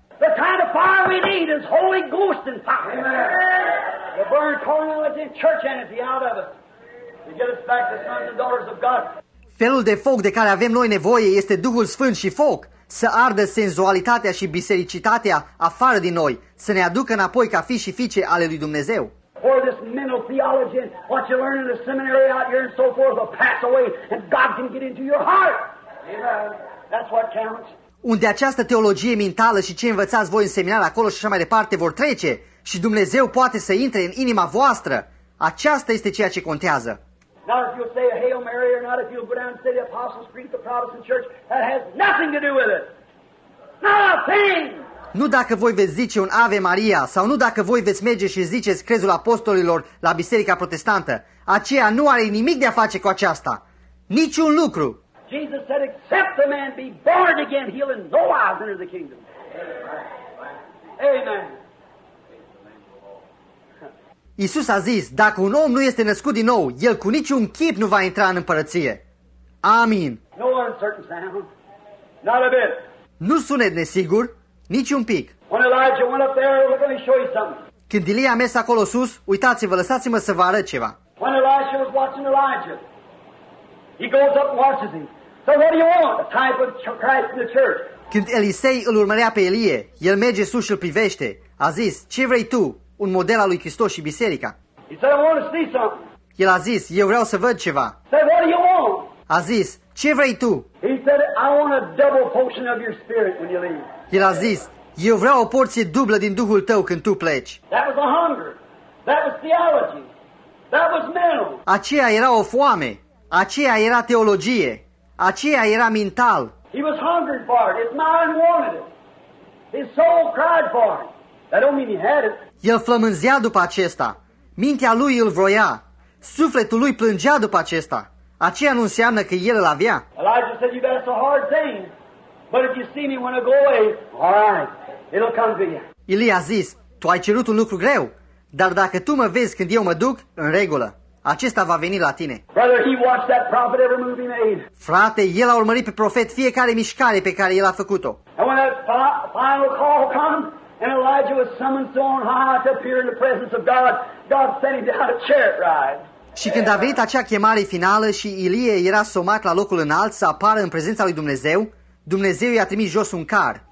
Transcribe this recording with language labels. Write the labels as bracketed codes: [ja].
[en] The kind of fire we need is Holy Ghost and fire. We burn carnality and church energy out of us. We get us back to sons and daughters of God. [ro] Felul de foc de care avem noi nevoie este Duhul Sfânt și foc. Să ardă senzualitatea și bisericitatea afară din noi. Să ne aducă înapoi ca fi și fiice ale lui Dumnezeu. [en] For this mental theology and what you learn in the seminary out here and so forth will pass away and God can get into your heart. That's what counts. [ro] Unde această teologie mentală și ce învățați voi în seminar acolo și așa mai departe vor trece și Dumnezeu poate să intre în inima voastră. Aceasta este ceea ce contează. [en] Not if you'll say a Hail Mary or not if you'll go down and say the Apostles' Creed, the Protestant Church, that has nothing to do with it. Not a thing! [ro] Nu dacă voi veți zice un Ave Maria sau nu dacă voi veți merge și ziceți Crezul Apostolilor la Biserica Protestantă. Aceea nu are nimic de a face cu aceasta. Niciun lucru! [en] Jesus said, except the man be born again, he'll in no wise enter the kingdom. Amen. [ro] Iisus a zis, dacă un om nu este născut din nou, el cu niciun chip nu va intra în împărăție. Amin. [en] No uncertain sound. Not a bit. [ro] Nu sunet nesigur, nici un pic. [en] When Elijah went up there, let me show you something. [ro] Când Ilie a mers acolo sus, uitați-vă, lăsați-mă să vă arăt ceva. [en] When Elijah was watching Elijah, he goes up and watches him. So what do you want? A type of Christ in the church. [ro] Când Elisei îl urmărea pe Ilie, el merge sus și îl privește. A zis, ce vrei tu? Un model al lui Hristos și biserica. [en] He said, I want to see something. [ro] El a zis, eu vreau să văd ceva. [en] Said, what do you want? [ro] A zis, ce vrei tu? [en] He said, I want a double portion of your spirit when you leave. [ro] El a zis, eu vreau o porție dublă din Duhul tău când tu pleci. [en] That was a hunger. That was theology. That was mental. [ro] Aceea era o foame. Aceea era teologie. Aceea era mental. [en] He was hungry for it. His mind wanted it. His soul cried for it. That don't mean he had it. [ro] El flămânzea după acesta. Mintea lui îl vroia. Sufletul lui plângea după acesta. Aceea nu înseamnă că el îl avea. [en] Elijah said, you bet, it's a hard thing. But if you see me when I go away, all right, it'll come to you. [ro] Ilie a zis, tu ai cerut un lucru greu. Dar dacă tu mă vezi când eu mă duc, în regulă. Acesta va veni la tine. [en] Brother, he watched that prophet every move he made. [ro] Frate, el a urmărit pe profet fiecare mișcare pe care el a făcut-o. [en] And when that final call comes, and Elijah was summoned so on high to appear in the presence of God, God sent him down a chariot ride. [ro] Și când a venit acea chemare finală și Ilie era somat la locul înalt să apară în prezența lui Dumnezeu, Dumnezeu i-a trimis jos un car.